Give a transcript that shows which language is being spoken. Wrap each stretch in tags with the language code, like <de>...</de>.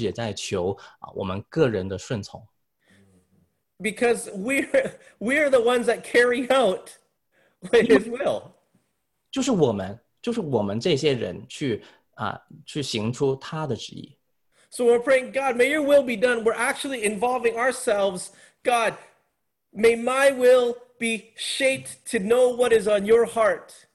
<zh>所以当我们去祷告说愿你的旨意成就的时候，我们的祷告其实也在求我们个人的顺从。</zh> <en>Because we're the ones that carry out his will.</en> <zh>就是我们这些人去行出他的旨意。</zh> <en>So we're praying, God, may your will be done. We're actually involving ourselves. God, may my will be shaped to know what is on your heart.</en>